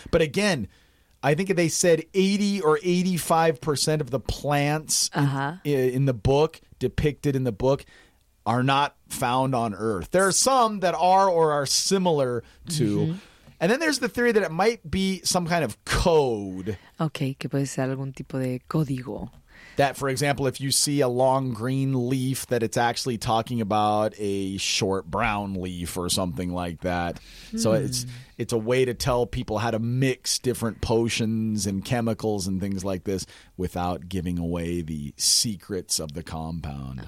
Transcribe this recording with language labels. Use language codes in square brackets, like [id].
[en] But again, I think they said 80 or 85% of the plants in the book, depicted in the book, are not found on Earth. There are some that are or are similar to. And then there's the theory that it might be some kind of code. [es] Okay, que puede ser algún tipo de código. [en] That, for example, if you see a long green leaf, that it's actually talking about a short brown leaf or something like that. So it's a way to tell people how to mix different potions and chemicals and things like this without giving away the secrets of the compound.